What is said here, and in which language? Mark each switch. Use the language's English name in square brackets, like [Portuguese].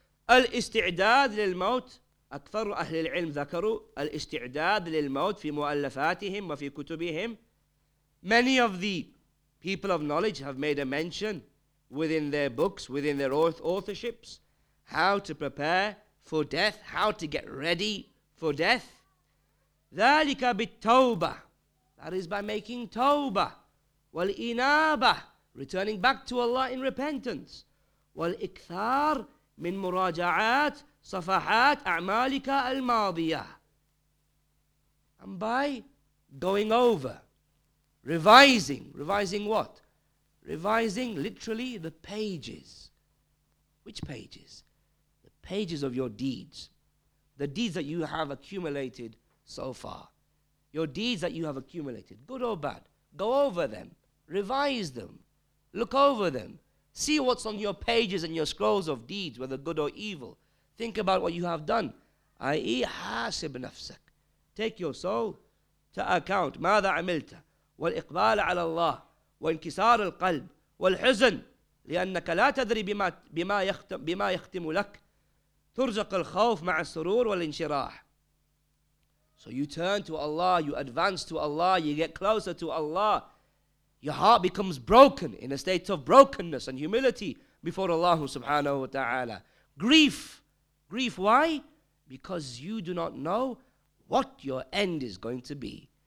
[Arabic] الاستعداد للموت أكثر أهل العلم ذكروا الاستعداد للموت في مؤلفاتهم وفي كتبهم. [English] Many of the people of knowledge have made a mention within their books, within their authorships, how to prepare for death, how to get ready for death. [Arabic] ذلك بالتوبة, [English] that is by making [Arabic] توبة, والإنابة, [English] returning back to Allah in repentance, [Arabic] والإكثار من مراجعات صفحات أعمالك الماضية. [English] And by going over, revising what? Revising literally the pages. Which pages? The pages of your deeds. The deeds that you have accumulated so far. Your deeds that you have accumulated, good or bad. Go over them, revise them, look over them. See what's on your pages and your scrolls of deeds, whether good or evil. Think about what you have done, i.e. [Arabic] حاسب نفسك. [English] Take your soul to account. [Arabic] ماذا عملت؟ والإقبال على الله وانكسار القلب والحزن لأنك لا تدري بما يختم لك ترزق الخوف مع السرور والانشراح. [English] So you turn to Allah, you advance to Allah, you get closer to Allah. Your heart becomes broken, in a state of brokenness and humility before Allah subhanahu wa ta'ala. Grief, why? Because you do not know what your end is going to be.